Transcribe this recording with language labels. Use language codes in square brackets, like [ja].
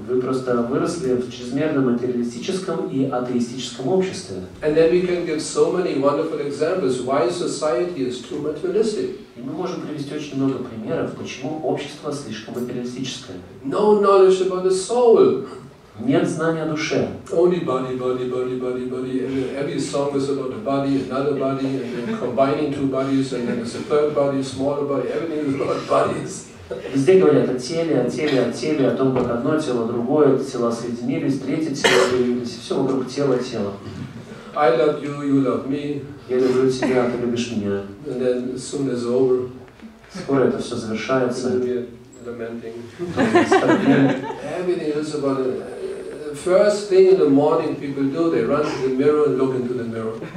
[ru] Вы просто выросли в чрезмерно материалистическом и атеистическом обществе. [en] And then we can give so many wonderful examples why society is too materialistic. [ru] И мы можем привести очень много примеров, почему общество слишком материалистическое. [en] No knowledge about the soul. [ru] Нет знания о душе. [en] Only body, body, body, body, body. Every song is about the body, another body, and then combining two bodies, and then there's a third body, smaller body. Everything is about bodies. [ru] Везде говорят о теле, о теле, о теле, о том, как одно тело, другое, тела соединились, третье тело появилось, все вокруг тела, тела. [en] I love you, you love me. [ru] Я люблю тебя, ты любишь меня. [en] And then soon it's over. [ru] Скоро это все завершается. [en] Lamenting. Everything is about it. First thing in the morning people do, they run to the mirror and look into the mirror.